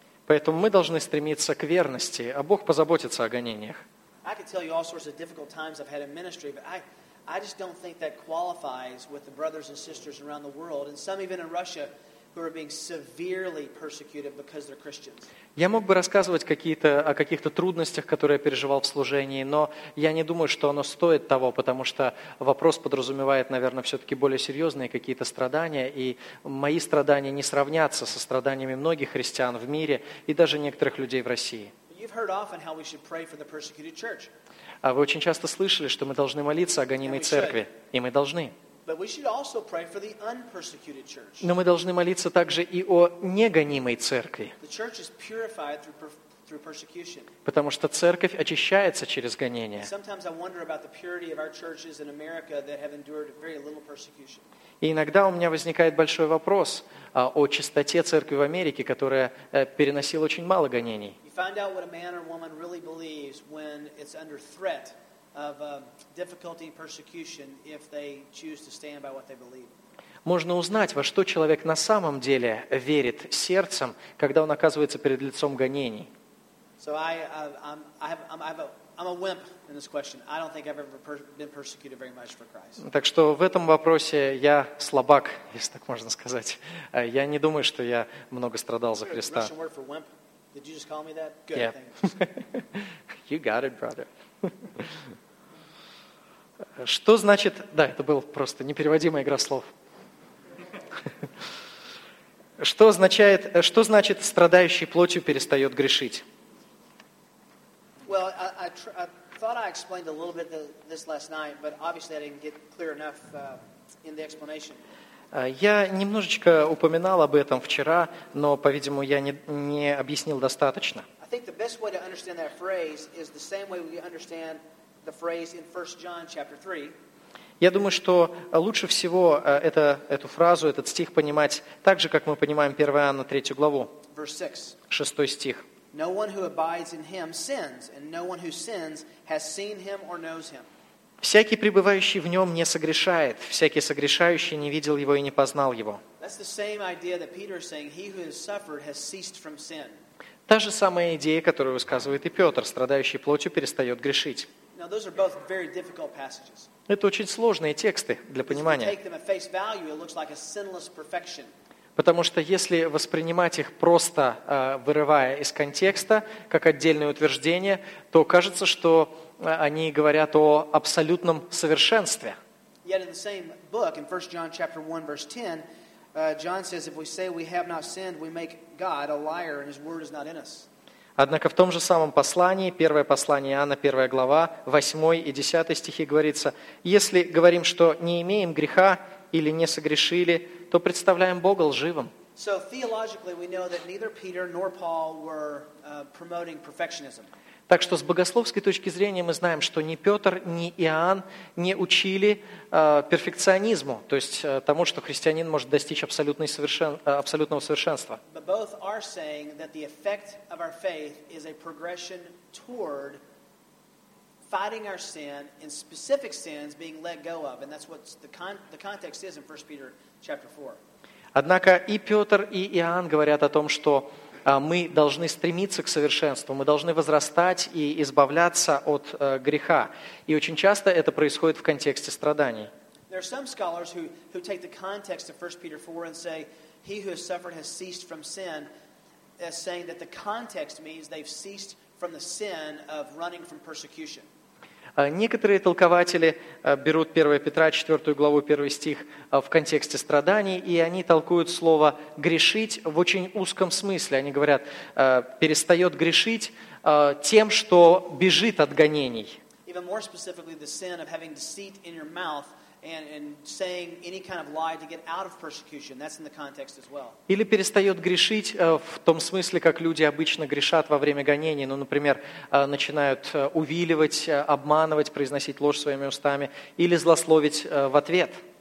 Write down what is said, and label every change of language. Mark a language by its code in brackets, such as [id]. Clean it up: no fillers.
[ru] Поэтому мы должны стремиться к верности, а Бог позаботится о гонениях. [en] I could tell you all sorts of difficult times I've had in ministry, but I just don't think that qualifies with the brothers and sisters around the world, and some even in Russia, who are being severely persecuted because they're Christians. [ru] Я мог бы рассказывать о каких-то трудностях, которые я переживал в служении, но я не думаю, что оно стоит того, потому что вопрос подразумевает, наверное, все-таки более серьезные какие-то страдания, и мои страдания не сравнятся со страданиями многих христиан в мире и даже некоторых людей в России. [en] You've heard often how we should pray for the persecuted church. [ru] А вы очень часто слышали, что мы должны молиться о гонимой церкви, и мы должны. [en] But we should also pray for the unpersecuted church. [ru] Но мы должны молиться также и о негонимой церкви. [en] The church is purified through persecution. [ru] Потому что церковь очищается через гонения. [en] Sometimes I wonder about the purity of our churches in America that have endured very little persecution. [ru] И иногда у меня возникает большой вопрос о чистоте церкви в Америке, которая переносила очень мало гонений. [en] You find out what a man or woman really believes when it's under threat of difficulty and persecution if they choose to stand by what they believe. [ru] Можно узнать, во что человек на самом деле верит сердцем, когда он оказывается перед лицом гонений. [en] So I'm a wimp in this question. I don't think I've ever been persecuted very much for Christ. [ru] Так что в этом вопросе я слабак, если так можно сказать. Я не думаю, что я много страдал за Христа. [en] Russian word for wimp. Did you just call me that? Good. Yeah. You got it, brother. [ru] Что значит... Да, это была просто непереводимая игра слов. Что значит страдающий плотью перестает грешить? [en] Well, I thought I explained a little bit this last night, but obviously I didn't get clear enough in the explanation. [ru] Я немножечко упоминал об этом вчера, но, по-видимому, я не объяснил достаточно. [en] I think the best way to understand that phrase is the same way we understand the phrase in 1 John chapter 3. [ru] Я думаю, что лучше всего эту фразу, этот стих понимать так же, как мы понимаем 1 Иоанна 3 главу. [en] Verse 6. [ru] Шестой стих. [en] No one who abides in him sins, and no one who sins has seen him or knows him. [ru] Всякий пребывающий в нем не согрешает, всякий согрешающий не видел его и не познал его. [en] That's the same idea that Peter is saying, he who has suffered has ceased from sin. [ru] Та же самая идея, которую высказывает и Петр, страдающий плотью перестает грешить. [en] Now those are both very difficult passages. [ru] Это очень сложные тексты для понимания. [en] If you take them at face value, it looks like a sinless perfection. [ru] Потому что если воспринимать их просто вырывая из контекста, как отдельное утверждение, то кажется, что они говорят о абсолютном совершенстве. [en] Yet in the same book, in 1 John chapter 1, verse 10, John says, if we say we have not sinned, we make God a liar, and his word is not in us. [ru] Однако в том же самом послании, первое послание Иоанна, первая глава, 8 и 10 стихи говорится, если говорим, что не имеем греха или не согрешили, то представляем Бога лживым. [en] So theologically we know that neither Peter nor Paul were promoting perfectionism. [ru] Так что с богословской точки зрения мы знаем, что ни Петр, ни Иоанн не учили перфекционизму, то есть тому, что христианин может достичь абсолютного совершенства. [en] But both are saying that the effect of our faith is a progression toward fighting our sin and specific sins being let go of, and that's what the context is in 1 Peter chapter 4. [ru] Однако и Петр, и Иоанн говорят о том, что мы должны стремиться к совершенству, мы должны возрастать и избавляться от греха. И очень часто это происходит в контексте страданий. [en] There are some scholars who take the context of 1 Peter 4 and say, he who has suffered has ceased from sin, as saying that the context means they've ceased from the sin of running from persecution. [ru] Некоторые толкователи берут 1 Петра, 4 главу, 1 стих в контексте страданий, и они толкуют слово «грешить» в очень узком смысле. Они говорят, перестает грешить тем, что бежит от гонений. [en] Even more specifically, the sin of having deceit in your mouth and saying any kind of lie to get out of persecution. That's in the context as well. [ru] Или перестает грешить в том смысле, как люди обычно грешат во время гонений. Ну, например, начинают увиливать, обманывать, произносить ложь своими устами или злословить в ответ.